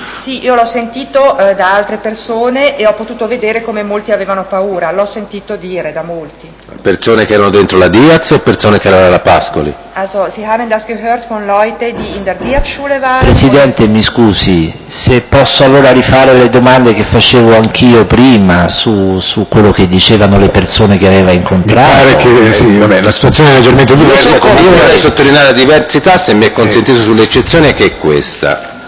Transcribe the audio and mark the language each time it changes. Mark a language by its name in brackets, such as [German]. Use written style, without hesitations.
[Italian] Sì, io l'ho sentito da altre persone e ho potuto vedere come molti avevano paura. L'ho sentito dire da molti. Persone che erano dentro la Diaz o persone che erano alla Pascoli? [German] Also, Sie haben das gehört von Leute, die in der Diaz-Schule waren. [Italian] Presidente, mi scusi, se posso allora rifare le domande che facevo anch'io prima su quello che dicevano le persone che aveva incontrato. Mi pare che sì, vabbè, la situazione è leggermente diversa. Vorrei sottolineare la diversità, se mi è consentito, sull'eccezione, che è questa.